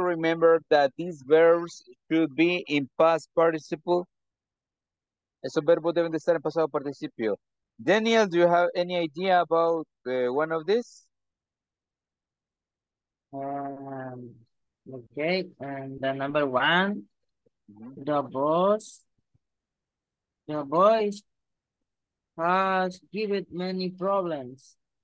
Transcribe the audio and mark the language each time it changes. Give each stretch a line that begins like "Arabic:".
English: Remember that these verbs should be in past participle.
Spanish: Esos verbos deben de estar en pasado participio.
English: Daniel, do you have any idea about one of these? Okay, and the number one, the boss, the boy has given many problems.